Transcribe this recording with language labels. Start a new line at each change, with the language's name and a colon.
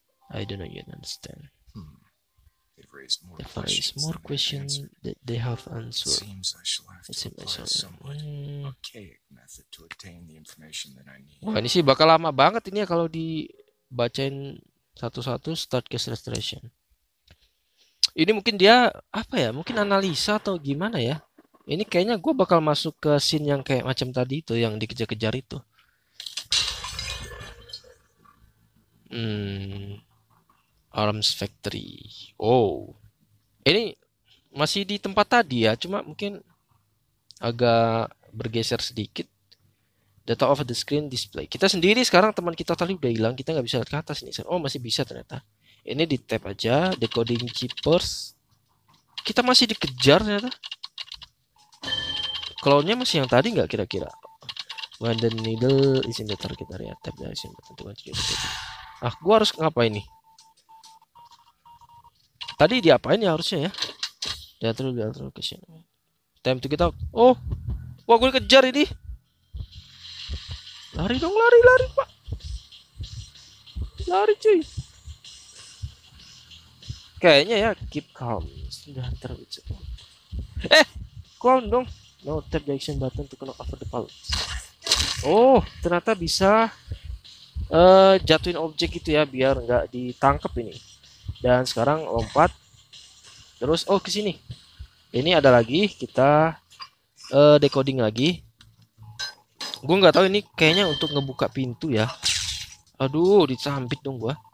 English: I don't know yet understand. There is more questions that they have answered. Seems I shall have to apply some archaic method to obtain the information that I need.
Indonesian: Wah, ini sih bakal lama banget ini ya kalau dibacain satu-satu.
English: Start case restoration.
Indonesian: Ini mungkin dia apa ya? Mungkin analisa atau gimana ya? Ini kayaknya gue bakal masuk ke scene yang kayak macam tadi itu yang dikejar-kejar itu. Arms Factory. Oh, ini masih di tempat tadi ya, cuma mungkin agak bergeser sedikit.
English: Data of the screen display.
Indonesian: Kita sendiri sekarang teman kita tadi udah hilang, kita nggak bisa lihat ke atas nih. Oh, masih bisa ternyata. Ini di tap aja, decoding chippers. Kita masih dikejar ternyata. Clone-nya masih yang tadi nggak kira-kira?
English: When the needle is in the target area, tap the action button to continue.
Indonesian: Ah, gua harus ngapain nih? Tadi diapain ya harusnya ya? Diatur location.
English: Time to get out.
Indonesian: Oh. Wah, gue dikejar ini. Lari dong, lari, Pak. Lari, cuy. Kayaknya ya
English: keep calm.
Indonesian: Sudah terwujud. Eh, calm dong.
English: No, tap the action button to knock over the pallets.
Indonesian: Oh, ternyata bisa jatuhin objek itu ya biar nggak ditangkap ini. Dan sekarang lompat. Terus, oh ke sini. Ini ada lagi, kita decoding lagi. Gue nggak tahu ini kayaknya untuk ngebuka pintu ya. Aduh, dicampit dong gue.